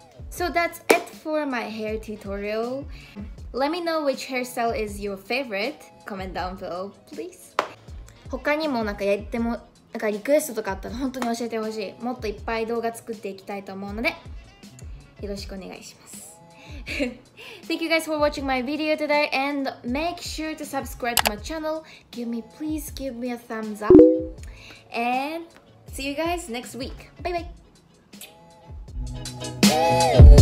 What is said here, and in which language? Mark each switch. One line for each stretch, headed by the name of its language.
English: So that's it for my hair tutorial. Let me know which hairstyle is your favorite. Comment down below, please.
Japanese: 他にもなんかやってもなんかリクエストとかあったら本当に教えてほしい。もっといっぱい動画作っていきたいと思うので、よろしくお願いします。
English: Thank you guys for watching my video today, and make sure to subscribe to my channel. Please give me a thumbs up, and see you guys next week. Bye bye.